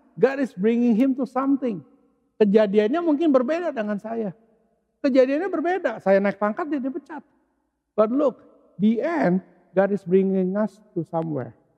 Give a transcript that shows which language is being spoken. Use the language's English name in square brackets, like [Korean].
[English] God is bringing him to something. [Indonesian] Kejadiannya mungkin berbeda dengan saya. Kejadiannya berbeda. Saya naik pangkat, dia dipecat. [English] But look, the end, God is bringing us to somewhere.